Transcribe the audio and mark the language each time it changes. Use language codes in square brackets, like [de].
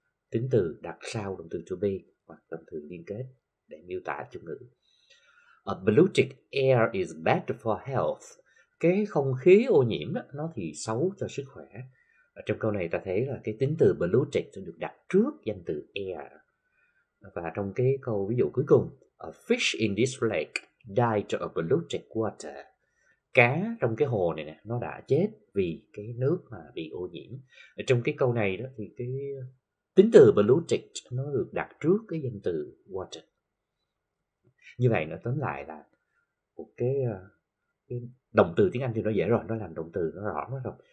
[vi] Tính từ đặt sau động từ to be hoặc động từ liên kết để miêu tả chủ ngữ. [en] A polluted air is bad for health. [vi] Cái không khí ô nhiễm đó, nó thì xấu cho sức khỏe. Ở trong câu này ta thấy là cái tính từ polluted được đặt trước danh từ air. Và trong cái câu ví dụ cuối cùng, [en] A fish in this lake died of polluted water. [vi] Cá trong cái hồ này nè, nó đã chết vì cái nước mà bị ô nhiễm. Ở trong cái câu này đó thì cái tính từ polluted nó được đặt trước cái danh từ water. Như vậy nó tóm lại là một cái động từ tiếng Anh thì nó dễ rồi, nó làm động từ nó rõ rồi.